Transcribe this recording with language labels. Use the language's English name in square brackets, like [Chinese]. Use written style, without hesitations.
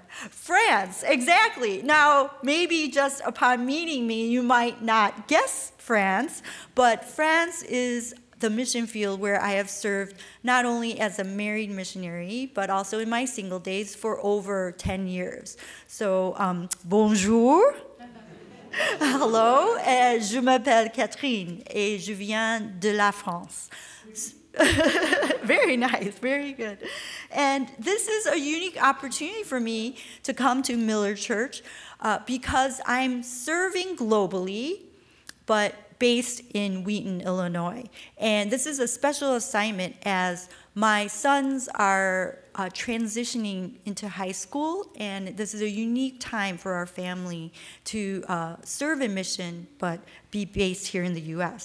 [English] France, exactly. Now, maybe just upon meeting me, you might not guess France, but France is the mission field where I have served not only as a married missionary, but also in my single days for over 10 years. [French] So, bonjour, hello, et je m'appelle Catherine, et je viens de la France. [English] Very nice, very good. And this is a unique opportunity for me to come to Miller Church because I'm serving globally, but based in Wheaton, Illinois. And this is a special assignment as my sons are transitioning into high school, and this is a unique time for our family to serve in mission, but be based here in the U.S.